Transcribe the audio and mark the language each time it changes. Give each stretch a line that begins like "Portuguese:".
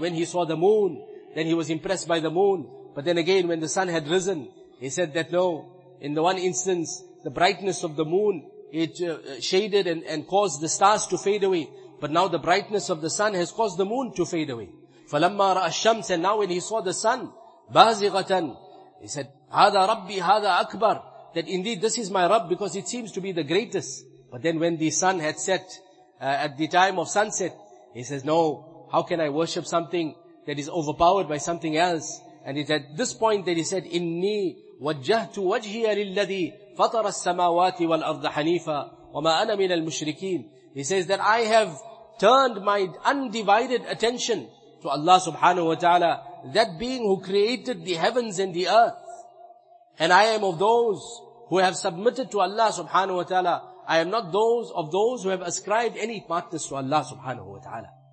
English: When he saw the moon, then he was impressed by the moon. But then again, when the sun had risen, he said that no, in the one instance, the brightness of the moon, it shaded and caused the stars to fade away. But now the brightness of the sun has caused the moon to fade away.
Arabic: فَلَمَّا رَأَ الشَّمْسَ.
English: And now when he saw the sun,
Arabic: بازغةً.
English: He said,
Arabic: هَذَا رَبِّي هَذَا أَكْبَرُ.
English: That indeed this is my Rabb, because it seems to be the greatest. But then when the sun had set, at the time of sunset, he says, no, how can I worship something that is overpowered by something else? And it's at this point that he said,
Arabic: إِنِّي وَجَّهْتُ وَجْهِيَ لِلَّذِي فَطَرَ السَّمَاوَاتِ وَالْأَرْضَ حَنِيفًا وَمَا أَنَا مِنَ الْمُشْرِكِينَ.
English: He says that I have turned my undivided attention to Allah subhanahu wa ta'ala, that being who created the heavens and the earth. And I am of those who have submitted to Allah subhanahu wa ta'ala. I am not those of those who have ascribed any partners to Allah subhanahu wa ta'ala.